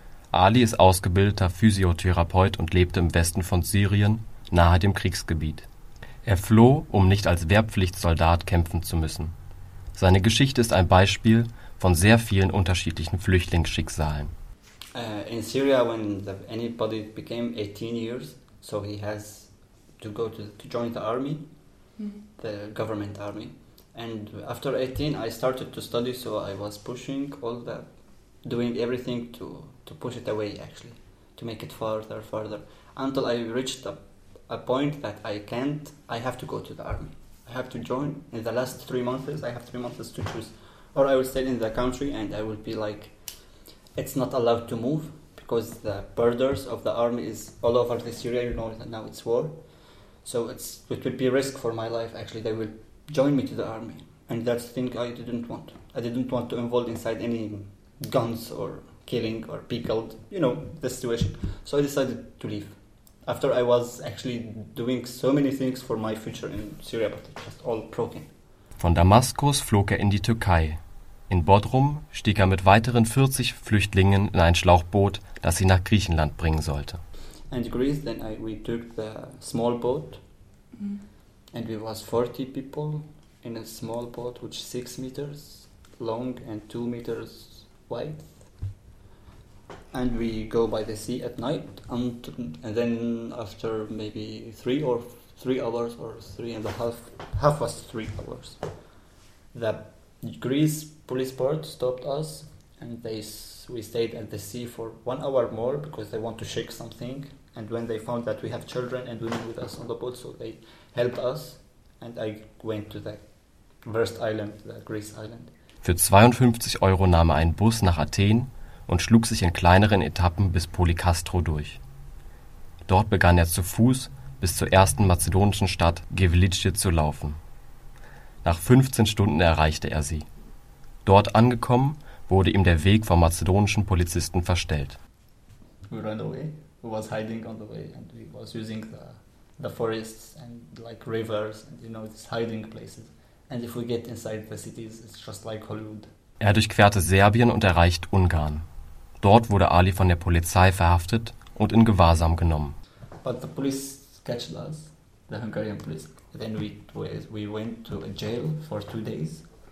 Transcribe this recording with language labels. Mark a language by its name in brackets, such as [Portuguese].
[German] Ali ist ausgebildeter Physiotherapeut und lebte im Westen von Syrien, nahe dem Kriegsgebiet. Er floh, um nicht als Wehrpflichtsoldat kämpfen zu müssen. Seine Geschichte ist ein Beispiel von sehr vielen unterschiedlichen Flüchtlingsschicksalen. [English] In Syria, when anybody became 18 years, so he has to go to join the army, the government army. And after 18, I started to study, so I was pushing all that, doing everything to push it away, actually, to make it further, until I reached a point that I have to go to the army. I have to join. In the last 3 months, I have 3 months to choose. Or I will stay in the country and I will be like, it's not allowed to move because the borders of the army is all over the Syria, you know, now it's war. So it would be a risk for my life, actually. They will join me to the army. And that's the thing I didn't want. I didn't want to involve inside any guns or killing or be killed, you know, the situation. So I decided to leave. After I was actually doing so many things for my future in Syria, but it's just all broken. [German] Von Damaskus flog er in die Türkei. In Bodrum stieg er mit weiteren 40 Flüchtlingen in ein Schlauchboot, das sie nach Griechenland bringen sollte. [English] And Greece, then we took the small boat. And we was 40 people in a small boat, which is 6 meters long and 2 meters wide. and we go by the sea at night, and then after maybe three hours, the Greece police boat stopped us, and we stayed at the sea for 1 hour more because they want to check something. And when they found that we have children and women with us on the boat, so they helped us, and I went to the first island, the Greece island. [German] Für 52 Euro nahm er einen Bus nach Athen und schlug sich in kleineren Etappen bis Polykastro durch. Dort begann er zu Fuß bis zur ersten mazedonischen Stadt Gevlice zu laufen. Nach 15 Stunden erreichte er sie. Dort angekommen, wurde ihm der Weg vom mazedonischen Polizisten verstellt. [English] We ran away. We was hiding on the way and we was using the forests and like rivers and you know these hiding places. And if we get inside the cities, it's just like Hollywood. [German] Er durchquerte Serbien und erreicht Ungarn. Dort wurde Ali von der Polizei verhaftet und in Gewahrsam genommen. [English] But the police catched us, the Hungarian police. Then we went to a jail for 2 days.